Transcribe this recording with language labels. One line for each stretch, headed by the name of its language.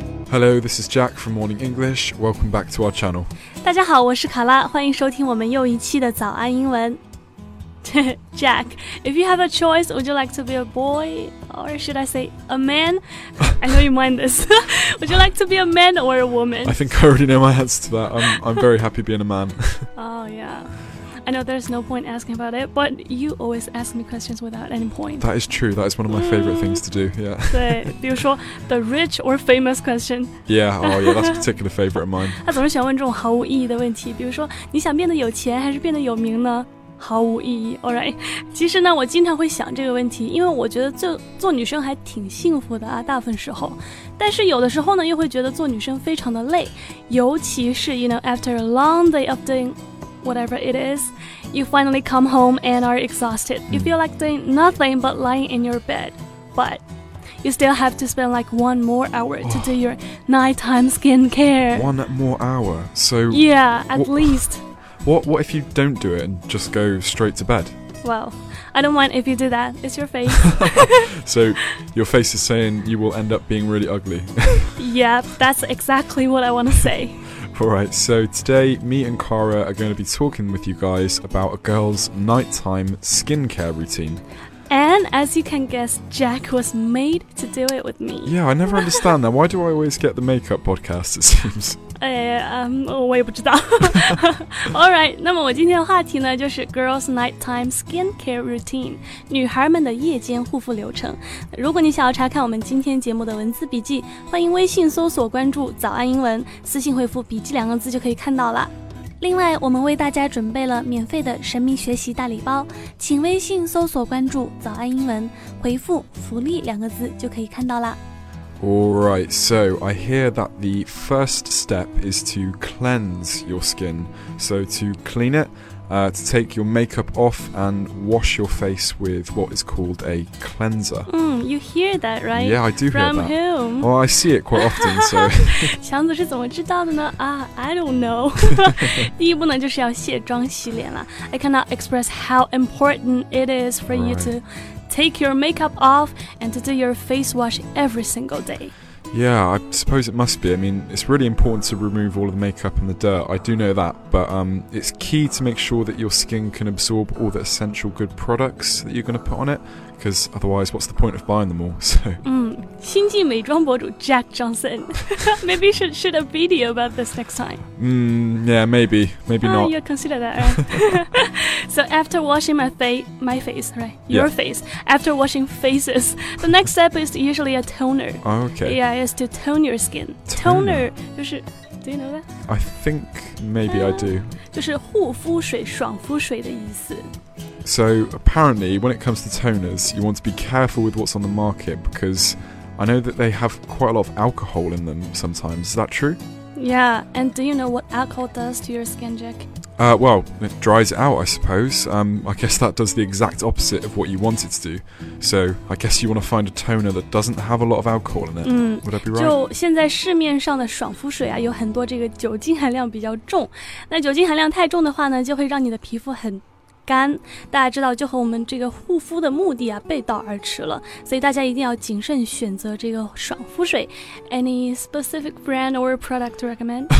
English: Hello, this is Jack from Morning English. Welcome back to our channel.
Chinese: 大家好，我是卡拉，欢迎收听我们又一期的早安英文。
English: Jack, if you have a choice, would you like to be a boy or should I say a man? I know you mind this. Would you like to be a man or a woman? I think I already know my answer to that. I'm very happy being a man. Oh, yeah. I know there's no point asking about it, but you always ask me questions without any point. That is true. That is one of my favorite things to do, yeah.
Chinese: 对，比如说
English: the rich or famous question. Yeah, oh yeah, that's a particular favorite of mine.
Chinese: 他总是喜欢问这种毫无意义的问题，比如说你想变得有钱还是变得有名呢？毫无意义 ，
English: All right.
Chinese: 其实呢，我经常会想这个问题，因为我觉得做女生还挺幸福的啊，大部分时候。但是有的时候呢，又会觉得做女生非常的累，尤其是
English: you know, after a long day of doing... whatever it is, you finally come home and are exhausted. You feel like doing nothing but lying in your bed, but you still have to spend like one more hour to do your nighttime skincare. One more hour? So... Yeah, at least. What if you don't do it and just go straight to bed? Well, I don't mind if you do that. It's your face. So your face is saying you will end up being really ugly. Yeah, that's exactly what I want to say. Alright, so today me and Kara are going to be talking with you guys about a girl's nighttime skincare routine. And as you can guess, Jack was made to do it with me. Yeah, I never understand that. Why do I always get the makeup podcast, it seems?
Chinese: 我也不知道。 Alright, 那么我今天的话题呢就是
English: girl's nighttime skincare routine,
Chinese: 女孩们的夜间护肤流程。如果你想要查看我们今天节目的文字笔记，欢迎微信搜索关注早安英文，私信回复笔记两个字就可以看到了。另外我们为大家准备了免费的神秘学习大礼包，请微信搜索关注早安英文，回复福利两个字就可以看到了。
English: Alright, so I hear that the first step is to cleanse your skin. So to clean it, to take your makeup off and wash your face with what is called a cleanser. You hear that, right? Yeah, I do From hear that. From whom? Well, I see it quite often, so...
Chinese: 强子是怎么知道的呢？
English: I don't know.
Chinese: 第一步呢就是要卸妆洗脸了。
English: I cannot express how important it is for you to... take your makeup off and to do your face wash every single day. Yeah, I suppose it must be. I mean, it's really important to remove all of the makeup and the dirt. I do know that. But it's key to make sure that your skin can absorb all the essential good products that you're going to put on it. Because otherwise, what's the point of buying them all? So.
Chinese: 新晋美妆博主 Jack Johnson.
English: Maybe should a video about this next time. Yeah, maybe. Maybe not. Yeah, consider that, right? So after washing my face, right? Your face. After washing faces, the next step is usually a toner. Oh, okay. Yeah, it's to tone your skin. Toner. Do you know that? I think maybe I do.
Chinese: 就是护肤水爽肤水的意思。
English: So apparently, when it comes to toners, you want to be careful with what's on the market because I know that they have quite a lot of alcohol in them sometimes. Is that true? Yeah, and do you know what alcohol does to your skin, Jack? Well, it dries it out, I suppose. I guess that does the exact opposite of what you want it to do. So I guess you want to find a toner that doesn't have a lot of alcohol in it. Would I be right?
Chinese: 就现在市面上的爽肤水啊，有很多这个酒精含量比较重。那酒精含量太重的话呢，就会让你的皮肤很干，大家知道就和我们这个护肤的目的啊背道而驰了，所以大家一定要谨慎选择这个爽肤水。
English: Any specific brand or product to recommend?